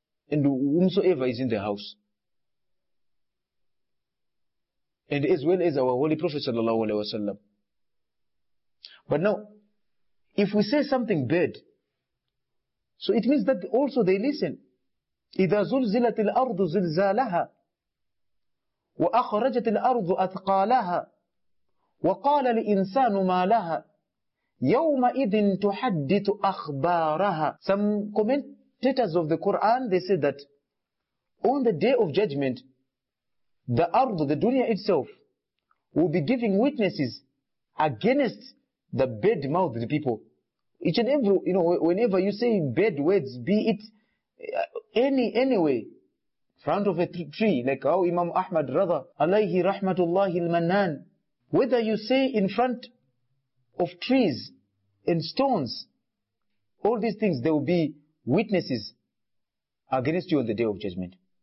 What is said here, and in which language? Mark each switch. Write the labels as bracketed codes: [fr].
[en] And whomsoever is in the house. And as well as our Holy Prophet sallallahu alaihi wasallam. But now, if we say something bad, so it means that also they listen. [ar] إذا زلزلت الأرض زلزالها وأخرجت الأرض أثقالها وقال الإنسان ما لها يومئذ تحدث أخبارها. [en] Some commentators of the Quran, they said that on the day of judgment, the earth, the dunya itself, will be giving witnesses against the bad-mouthed people. Each and every, you know, whenever you say bad words, be it anyway, front of a tree, like how Imam Ahmad Radha, alayhi rahmatullahi al-mannan, whether you say in front of trees and stones, all these things, there will be witnesses against you on the day of judgment.